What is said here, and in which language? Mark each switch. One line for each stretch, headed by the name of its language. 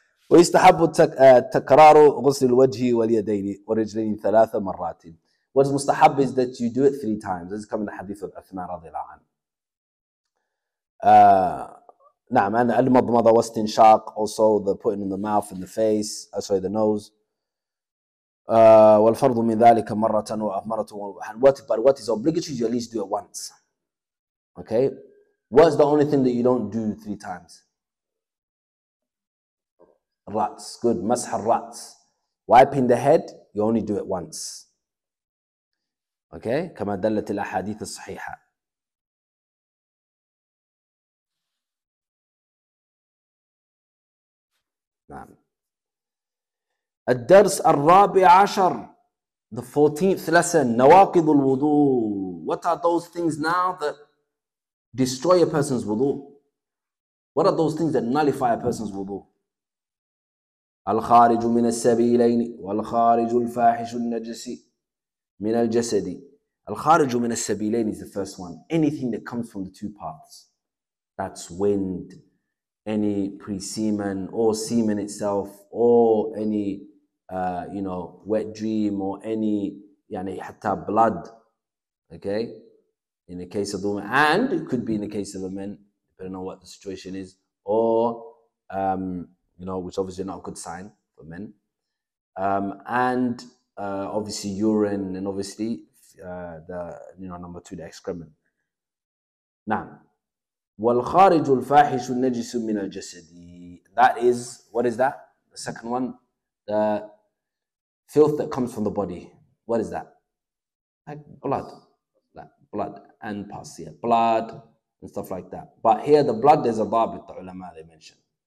Arabic: ويستحب تكرار غسل الوجه واليدين والرجلين ثلاث مرات.
English: What is مستحب is that you do it three times. This is coming to hadith of Uthman رضي الله عنه. نعم أن المضمضة واستنشاق also the putting in the mouth and the face, sorry, the nose.
Arabic: والفرض من ذلك مرة ومرة ومرة.
English: But what is obligatory, you at least do it once. Okay? What's the only thing that you don't do three times? Rats. Good. مسح الرأس. Wiping the head, you only do it once. Okay?
Arabic: كما دلت الأحاديث الصحيحة. نعم. الدرس الرابع عشر.
English: The 14th lesson. نواقض الوضوء. What are those things now that destroy a person's wudu? What are those things that nullify a person's wudu?
Arabic: الخارج من السبيلين والخارج الفاحش النجس من الجسد.
English: الخارج من السبيلين is the first one. Anything that comes from the two paths. That's wind, any pre-semen or semen itself, or any wet dream, or any يعني حتى blood. Okay? In the case of the woman, and it could be in the case of a man, depending on what the situation is, or which obviously not a good sign for men, and obviously urine, and obviously number two, the excrement.
Arabic: نعم. والخارج الفاحش النجس من الجسد.
English: That is, what is that? The second one, the filth that comes from the body. What is that? Like blood. Blood and pus, yeah, blood and stuff like that. But here, the blood, there's a dhabit, the ulama, they mentioned.